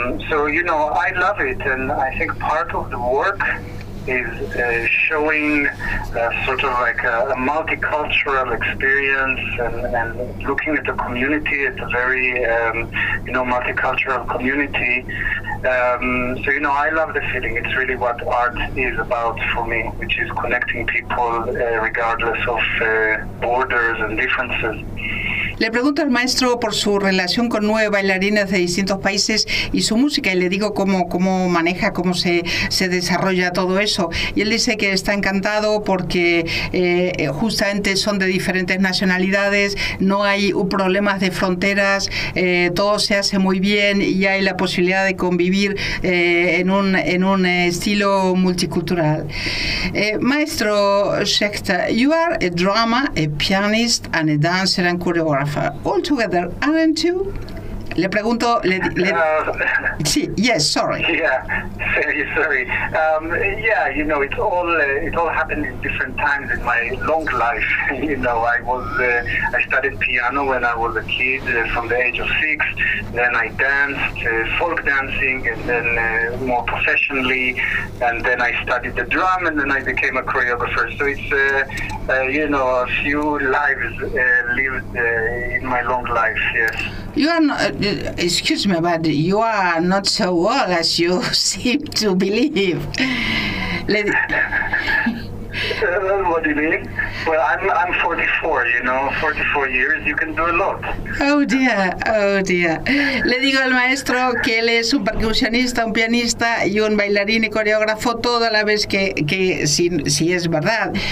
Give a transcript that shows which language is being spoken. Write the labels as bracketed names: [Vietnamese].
[English] So, you know, I love it, and I think part of the work is showing sort of like a multicultural experience and looking at the community, at a very, you know, multicultural community. So, you know, I love the feeling. It's really what art is about for me, which is connecting people regardless of borders and differences. [Spanish] Le pregunto al maestro por su relación con 9 bailarines de distintos países y su música, y le digo cómo maneja, cómo se desarrolla todo eso. Y él dice que está encantado porque justamente son de diferentes nacionalidades, no hay problemas de fronteras, todo se hace muy bien y hay la posibilidad de convivir en un estilo multicultural. [English] Maestro Schechter, you are a drama, a pianist, and a dancer and choreographer. All together, aren't you? [Spanish] Le pregunto. Sí. [English] Yes. Sorry. Yeah. Sorry. Yeah. You know, it all happened in different times in my long life. You know, I studied piano when I was a kid, from the age of 6. Then I danced folk dancing, and then more professionally. And then I studied the drum, and then I became a choreographer. So it's you know, a few lives lived in my long life. Yes. You are not, excuse me, but you are not so old as you seem to believe. What do you mean? Well, I'm 44, you know, 44 years, you can do a lot. Oh dear, oh dear. [Spanish] Le digo al maestro que él es un percusionista, un pianista y un bailarín y coreógrafo todo a la vez, que si es verdad.